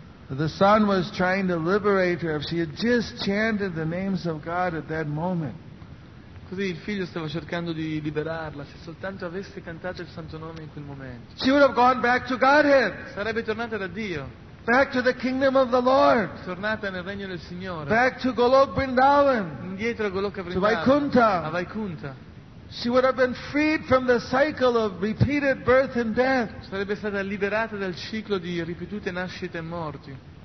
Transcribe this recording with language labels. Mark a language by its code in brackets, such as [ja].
[en] The sun was trying to liberate her if she had just chanted the names of God at that moment. [it] Così il figlio stava cercando di liberarla se soltanto avesse cantato il santo nome in quel momento. [en] She would have gone back to Godhead. [it] Sarebbe tornata da Dio. [en] Back to the kingdom of the Lord. [it] Tornata nel regno del Signore. [en] Back to Golok Vrindavan. [it] Indietro a Goloka Vrindavan. [en] To Vaikuntha. [it] A Vaikuntha. [en] She would have been freed from the cycle of repeated birth and death. [it] Sarebbe stata liberata dal ciclo di ripetute nascite e morti.